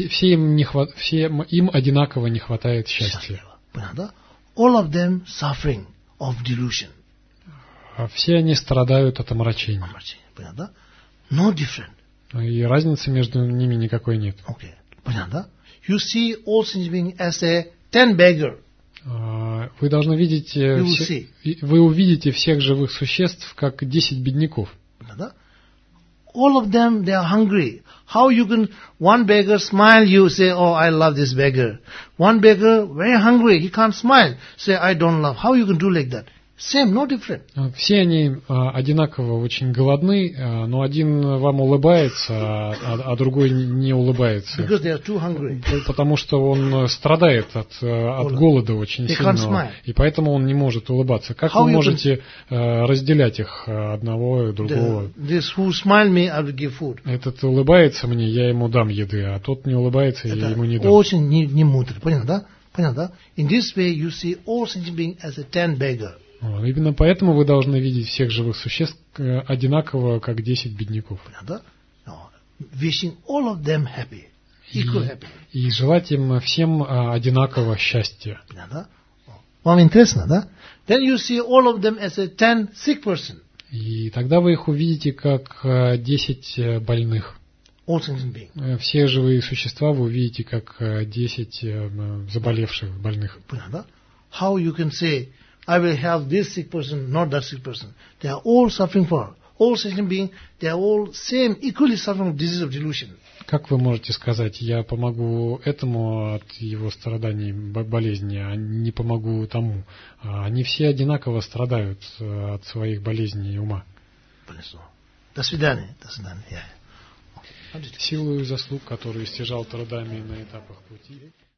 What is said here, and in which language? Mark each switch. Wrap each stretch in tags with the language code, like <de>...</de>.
<ru>Им одинаково не хватает счастья. Понятно?</ru> <en>All of them suffering of delusion.</en> <ru>Все они страдают от омрачения. Омрачение, понятно?</ru> <en>No different.</en> <ru>И разницы между ними никакой нет.</ru> <en>Okay,</en> <ru>понятно?</ru> <en>You see all things being as a ten beggar.</en> <ru>Вы должны видеть, вы увидите всех живых существ как 10 бедняков. Да, да?</ru> <en>all of them, they are hungry. How you can, one beggar smile, you say, oh, I love this beggar. One beggar, very hungry, he can't smile, say, I don't love. How you can do like that? Same, no different.</en> <ru>Все они одинаково очень голодны, но один вам улыбается, а другой не улыбается.</ru> <en>Because they are too hungry.</en> <ru>Потому что он страдает от голода очень сильно. И поэтому он не может улыбаться. Как</ru> <en>How</en> <ru>вы можете разделять их одного и другого?</ru> <en>This who smile me, I'll give food.</en> <ru>Этот улыбается мне, я ему дам еды, а тот не улыбается, Это я ему не дам. Очень не мудрый, понятно, да? Понятно, да?</ru> <en>In this way you see all sentient beings as a ten beggar.</en> <ru>Именно поэтому вы должны видеть всех живых существ одинаково, как 10 бедняков.</ru> <en>Wishing all of them happy, equal happy.</en> <ru>И желать им всем одинаково счастья. Вам интересно, да?</ru> <en>Then you see all of them as a 10 sick person.</en> <ru>И тогда вы их увидите как 10 больных.</ru> <en>All sentient beings.</en> <ru>Все живые существа вы увидите как 10 заболевших больных.</ru> <en>How you can say I will help this sick person, not that sick person. They are all suffering for all sentient beings. They are all same, equally suffering from disease of delusion.</en> <ru>Как вы можете сказать, я помогу этому от его страданий, болезни, а не помогу тому? Они все одинаково страдают от своих болезней и ума. До свидания. До свидания. Силу и заслуг, которые стяжал трудами на этапах пути.</ru>